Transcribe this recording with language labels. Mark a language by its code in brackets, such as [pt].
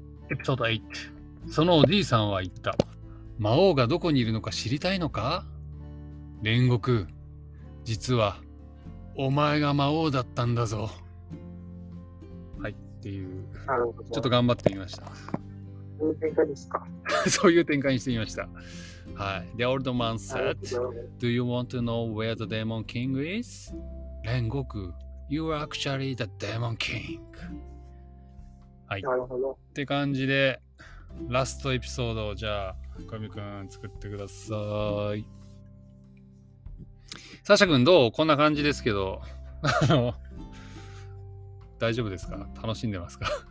[ja] エピソード8。そのおじいさんは言った。魔王がどこにいるのか知りたいのか？煉獄、実はお前が魔王だったんだぞ。はい、っていう。なるほど。ちょっと頑張ってみました。そういう展開ですか？そういう展開にしてみました。はい。 [en] The old man said, Do you want to know where the demon king is? 煉獄、You are actually the demon king. [ja] はい。なるほど。って感じで、ラストエピソードをじゃあ、かみくん作ってください。サシャくんどう？こんな感じですけど大丈夫ですか？楽しんでますか？